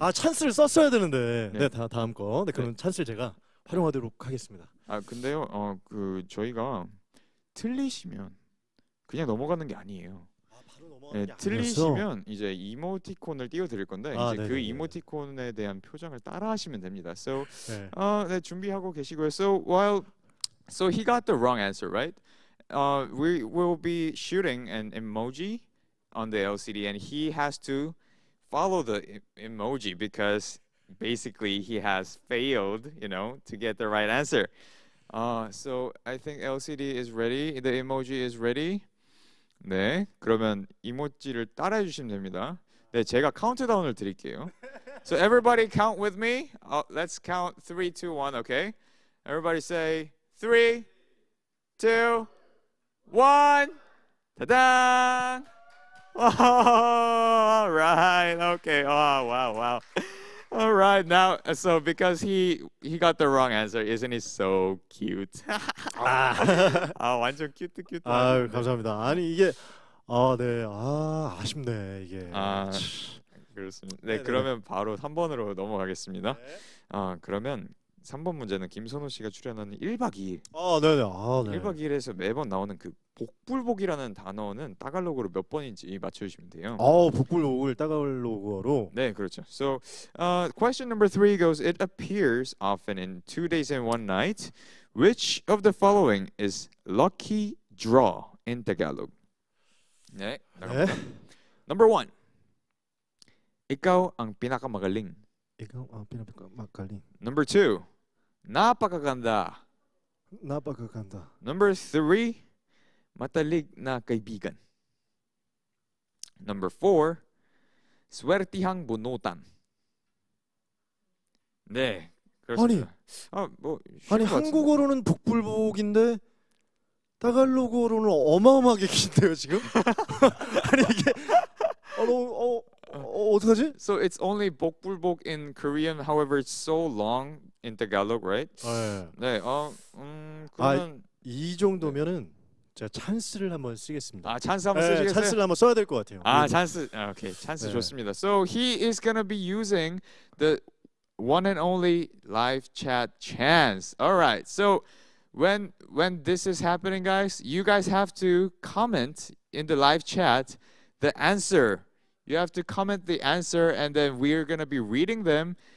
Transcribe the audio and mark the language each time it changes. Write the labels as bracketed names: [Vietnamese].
[Korean] 아 찬스를 썼어야 되는데. 네, 네 다음 거. 네 그럼 네. 찬스를 제가 활용하도록 하겠습니다. 아 근데요. 그 저희가 틀리시면 그냥 넘어가는 게 아니에요. 네, 틀리시면 이제 이모티콘을 띄워드릴 건데 아, 이제 네네. 그 이모티콘에 대한 표정을 따라하시면 됩니다. [English] So, [Korean] 네. 네, 준비하고 계시고요. [English] So while, so he got the wrong answer, right? We will be shooting an emoji on the LCD, and he has to follow the emoji because basically he has failed, you know, to get the right answer. So I think LCD is ready. The emoji is ready. [Korean] 네, 그러면 이모지를 따라해 주시면 됩니다. 네, 제가 카운트다운을 드릴게요. [English] So everybody count with me. Let's count 3, 2, 1, okay? Everybody say 3, 2, 1. 따단! All right, okay. Oh, wow, wow. All right, now, so because he got the wrong answer, isn't he so cute? [Korean] 아, 완전 큐트 큐트. 아, 감사합니다. 아니 이게 아, 네, 아, 아쉽네 이게. 아, 그렇습니다. 네, 네, 그러면 네. 바로 3번으로 넘어가겠습니다. 네. 아, 그러면 3번 문제는 김선호 씨가 출연하는 1박 2일. 아, 네, 네, 아, 네. 1박 2일에서 매번 나오는 그 복불복이라는 단어는 따갈로그로 몇 번인지 맞춰주시면 돼요. 아, 복불복을 따갈로그로. 네, 그렇죠. [English] So, question number 3 goes. It appears often in two days and one night. Which of the following is lucky draw in Tagalog? [Korean] 네, 네. [English] Number 1. [Filipino] 이거 ang pinakamagaling. 이거 ang pinakamagaling. [English] Number 2. 나빠가간다. 나빠가간다. Number 3. [Filipino] matalig na kaibigan. [English] Number 4. [Filipino] Swertihang bunutan. [Korean] 네. 그렇습니다. 아니, 아, 뭐 아니 한국어로는 북불복인데 타갈로그어로는 어마어마하게 긴데요 지금? 아니 이게 어떡하지? [English] So it's only 복불복 in Korean, however it's so long in Tagalog, right? [Korean] 네. 네, 그러면 아, 이 정도면은 제가 찬스를 한번 쓰겠습니다. 아, 찬스 한번 쓰시겠어요? 네, 찬스를 한번 써야 될 것 같아요. 아, 찬스, 아, 오케이, 찬스 네. 좋습니다. [English] So he is gonna be using the one and only live chat chance. All right. So when this is happening, guys, you guys have to comment in the live chat the answer. You have to comment the answer, and then we're going to be reading them.